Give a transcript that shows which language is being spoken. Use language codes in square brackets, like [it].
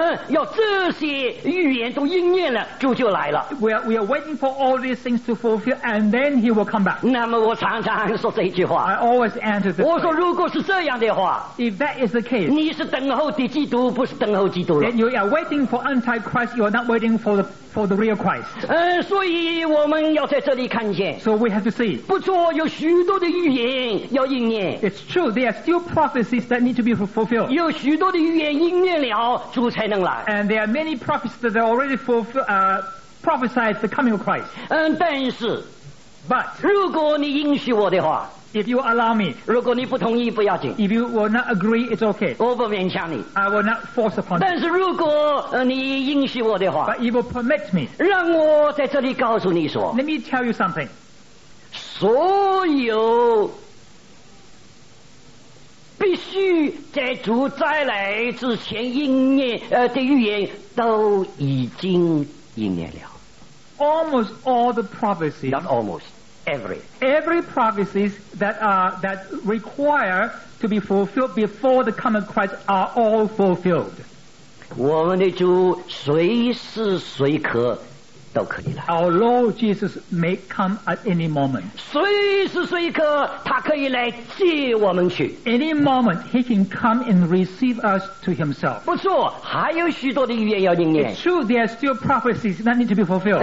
[zh] 要这些预言都应验了，主就来了。 [en] We are waiting for all these things to fulfill and then he will come back. [zh] 那么我常常说这句话。 [en] I always answer this. [zh] 我说如果是这样的话， [en] If that is the case, [zh] 你是等候的基督，不是等候基督了。 [en] Then you are waiting for Antichrist, you are not waiting for theFor the real Christ. [zh] 所以我们要在这里看见。 [en] So we have to see. [zh] 不错，有许多的预言要应验。 [en] It's true, there are still prophecies that need to be fulfilled. [zh] 有许多的预言应验了，主才能来。 [en] And there are many prophecies that are already prophesied the coming of Christ. [zh] 但是 [en] ，But [zh] 如果你允许我的话。 [en] If you allow me, [zh] 如果你不同意不要紧。 [en] If you will not agree, it's okay. [zh] 我不勉强你。 [en] I will not force upon you. [zh] 但是如果你允许我的话。 [en] But you will permit me. [zh] 让我在这里告诉你说。 [en] Let me tell you something. [zh] 所有必须在主再来之前应验的预言都已经应验了。 [en] Almost all the prophecies. Not almost. Every prophecies that require to be fulfilled before the coming of Christ are all fulfilled. [zh] 我们的主随时随刻都可以来。 [en] Our Lord Jesus may come at any moment. [zh] 随时随刻他可以来接我们去。 [en] Any moment he can come and receive us to himself. [zh] 不错，还有许多的预言要应验。 [en] It's true, there are still prophecies that need to be fulfilled.